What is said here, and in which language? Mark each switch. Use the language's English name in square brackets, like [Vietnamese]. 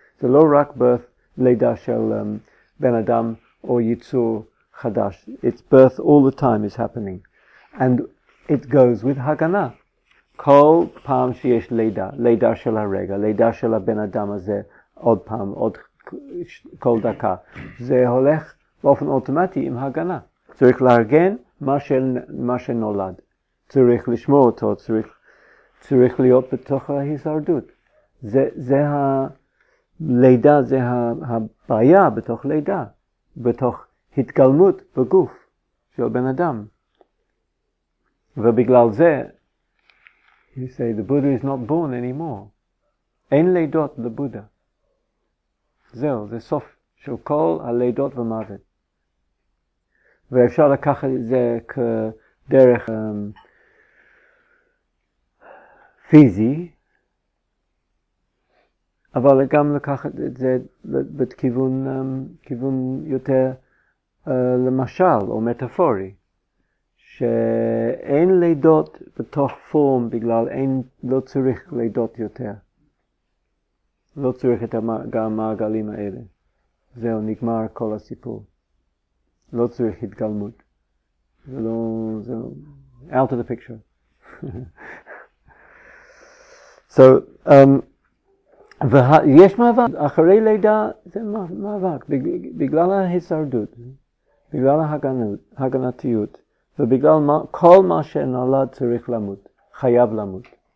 [Hebrew] זה לא רק birth, לידה של בן אדם או ייצור חדש. [English] It's birth all the time is happening. And it goes with הגנה. [Hebrew] כל פעם שיש לידה, לידה של הרגע, לידה של הבן אדם הזה, עוד פעם, עוד כל דקה, זה הולך באופן אוטומטי עם הגנה. צריך לארגן מה שנולד. צריך לשמור אותו, צריך להיות בתוך ההישרדות. זה ה... לידה זה הבעיה בתוך לידה, בתוך התגלמות בגוף של בן אדם. ובגלל זה, [English] you say, the Buddha is not born anymore. [Hebrew] אין לידות לבודה. זהו, זה סוף של כל הלידות ומוות. ואפשר לקחת את זה כדרך פיזי, אבל גם לקחת את זה בכיוון כיוון יותר למשל או מטאפורי, שאין לידות בתוך פורם בגלל אין, לא צריך לידות יותר. לא צריך את המעגלים האלה. זהו, נגמר כל הסיפור. לא צריך התגלמות. זה לא [English] out of the picture. [Hebrew] So, ויש מאבק, אחרי לידה זה מאבק, בגלל ההישרדות, בגלל ההגנתיות, ובגלל כל מה שנולד צריך למות, חייב למות.